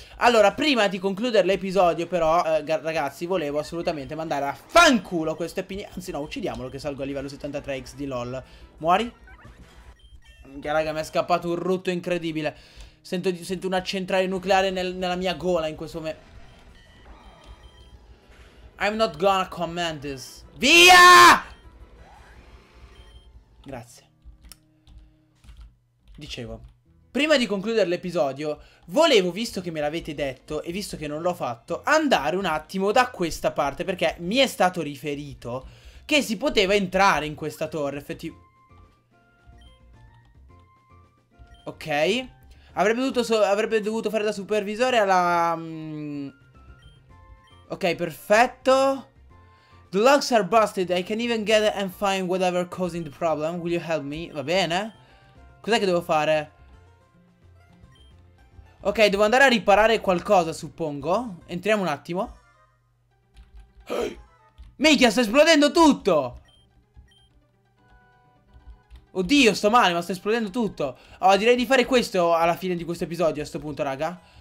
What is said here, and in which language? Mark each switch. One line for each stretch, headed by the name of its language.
Italian: Allora, prima di concludere l'episodio, però, ragazzi, volevo assolutamente mandare a fanculo queste opinioni. Anzi no, uccidiamolo che salgo a livello 73x di LOL. Muori? Che raga, mi è scappato un rutto incredibile. Sento una centrale nucleare nella mia gola in questo momento.
English: I'm not gonna comment this.
Italian: Via! Grazie. Dicevo, prima di concludere l'episodio, volevo, visto che me l'avete detto e visto che non l'ho fatto, andare un attimo da questa parte, perché mi è stato riferito che si poteva entrare in questa torre, ok. Avrebbe dovuto fare da supervisore alla... ok, perfetto.
English: The locks are busted, I can't even get and find whatever causing the problem, will you help me?
Italian: Va bene. Cos'è che devo fare? Ok, devo andare a riparare qualcosa, suppongo. Entriamo un attimo. Minchia, sta esplodendo tutto! Oddio, sto male, ma sta esplodendo tutto. Oh, direi di fare questo alla fine di questo episodio, a sto punto, raga.